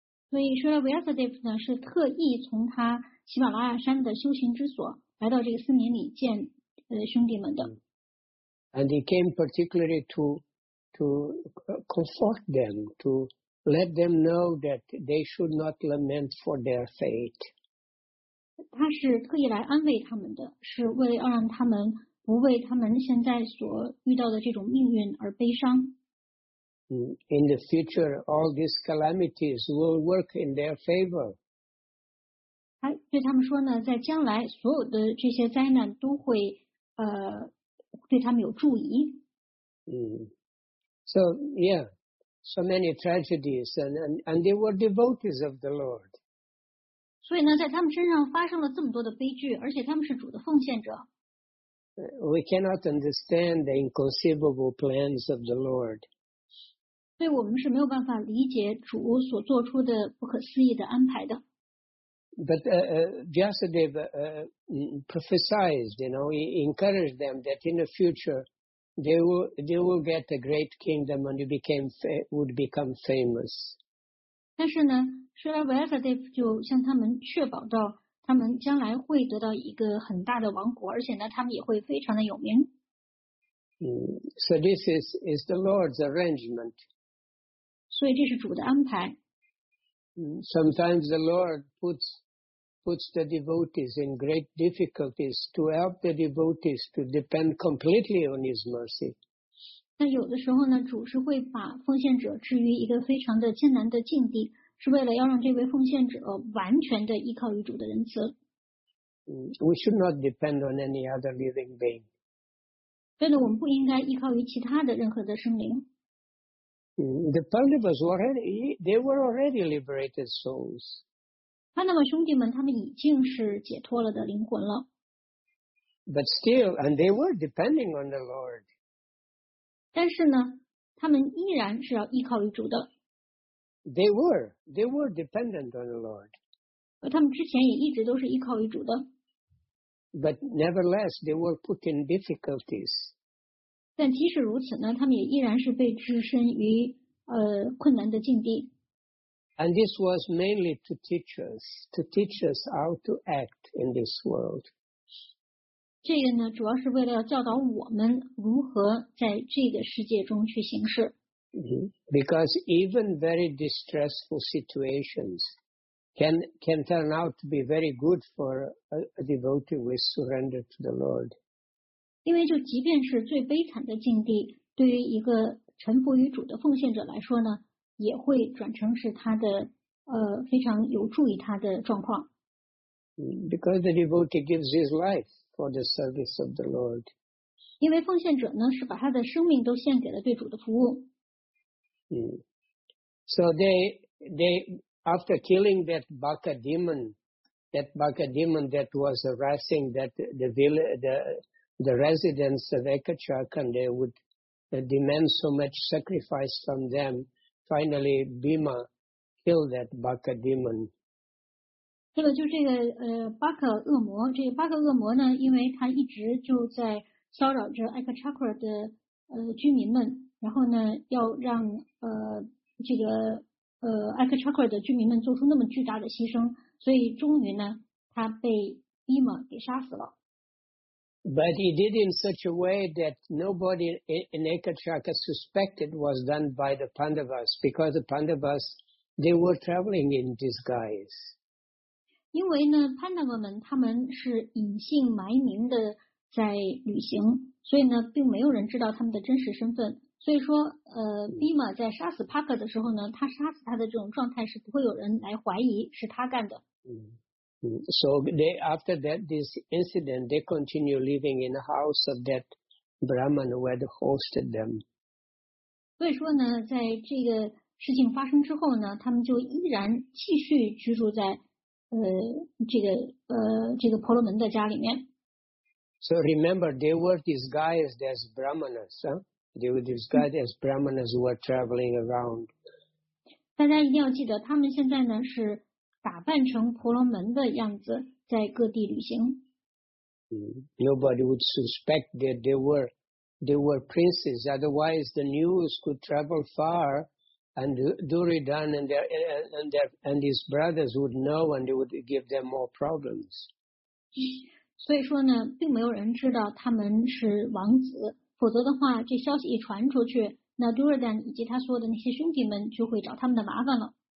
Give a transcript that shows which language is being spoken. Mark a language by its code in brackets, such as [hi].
[zh] 所以 Srila Vyasadeva 呢，是特意从他喜马拉雅山的修行之所来到这个森林里见兄弟们的。 [en] And he came particularly to comfort them, to let them know that they should not lament for their fate. [zh] 他是特意来安慰他们的，是为了让他们不为他们现在所遇到的这种命运而悲伤。 [en] In the future, all these calamities will work in their favor. [zh] 他对他们说呢，在将来所有的这些灾难都会对他们有助益。 [en] So yeah, so many tragedies, and they were devotees of the Lord. [zh] 所以呢，在他们身上发生了这么多的悲剧，而且他们是主的奉献者。 [en] We cannot understand the inconceivable plans of the Lord. [zh] 所以我们是没有办法理解主所做出的不可思议的安排的。 [en] But Vyasadeva prophesied, you know, he encouraged them that in the future they will get a great kingdom and would become famous. [zh] 但是呢，释迦牟尼佛就向他们确保到，他们将来会得到一个很大的王国，而且呢，他们也会非常的有名。 [en] So this is the Lord's arrangement. [zh] 所以这是主的安排。 [en] Sometimes the Lord puts the devotees in great difficulties to help the devotees to depend completely on His mercy. [zh] 但有的时候呢，主是会把奉献者置于一个非常的艰难的境地，是为了要让这位奉献者完全的依靠于主的仁慈。 [en] We should not depend on any other living being. [zh] 对的，我们不应该依靠于其他的任何的生灵。 [en] The Pandavas were already, they were already liberated souls. [zh] 潘达瓦兄弟们，他们已经是解脱了的灵魂了。 [en] But still, and they were depending on the Lord. [zh] 但是呢，他们依然是要依靠于主的。 [en] They were dependent on the Lord. [zh] 他们之前也一直都是依靠于主的。 [en] But nevertheless, they were put in difficulties. [zh] 但即使如此呢，他们也依然是被置身于困难的境地。 [en] And this was mainly to teach us how to act in this world. [zh] 这个呢，主要是为了教导我们如何在这个世界中去行事。 [en] Because even very distressful situations can turn out to be very good for a devotee who is surrendered to the Lord. [zh] 因为就即便是最悲惨的境地，对于一个臣服于主的奉献者来说呢，也会转成是他的非常有助于他的状况。 [en] Because the devotee gives his life for the service of the Lord. [zh] 因为奉献者呢是把他的生命都献给了对主的服务。 [en] So they after killing that Baka demon that was harassing that the village, the residents of Ekachaka, and they would demand so much sacrifice from them, finally Bhima killed that Baka demon. [zh] 这个就这个巴克恶魔，这个巴克恶魔呢，因为他一直就在骚扰着 Ekachaka 的居民们，然后呢要让这个Ekachaka 的居民们做出那么巨大的牺牲，所以终于呢他被 Bhima 给杀死了。 [en] But he did in such a way that nobody in Ekachaka suspected was done by the Pandavas, because the Pandavas, they were traveling in disguise. [zh] 因为呢 Pandava 们他们是隐姓埋名的在旅行，所以呢并没有人知道他们的真实身份。所以说Bhima 在杀死 Parker 的时候呢，他杀死他的这种状态是不会有人来怀疑是他干的。 [en] So they, after that, this incident, they continue living in the house of that Brahman who had hosted them. [zh] 所以说呢，在这个事情发生之后呢，他们就依然继续居住在这个婆罗门的家里面。 [en] So remember, they were disguised as Brahmanas, huh? They were disguised as Brahmanas who were traveling around. [zh] 大家一定要记得，他们现在呢是打扮成婆罗门的样子在各地旅行。 [en] Nobody would suspect that they were princes, otherwise the news could travel far and Duryodhana and his brothers would know and it would give them more problems. [zh] 所以说呢，并没有人知道他们是王子，否则的话这消息一传出去，那 Duryodhana 以及他所有的那些兄弟们就会找他们的麻烦了。